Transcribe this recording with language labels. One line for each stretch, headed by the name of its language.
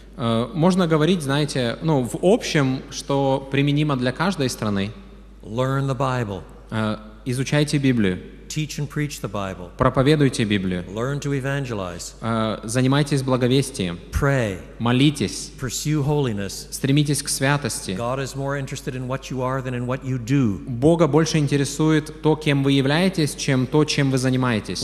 Russian: Можно говорить, знаете, ну, в общем, что применимо для каждой страны.
English: Learn the Bible.
Russian: Изучайте Библию.
English: Teach and preach the Bible.
Russian: Проповедуйте Библию.
English: Learn to evangelize.
Russian: Занимайтесь благовестием.
English: Pray.
Russian: Молитесь.
English: Pursue holiness.
Russian: Стремитесь к святости.
English: God is more interested in what you are than in what you do.
Russian: Бога больше интересует то, кем вы являетесь, чем то, чем вы занимаетесь.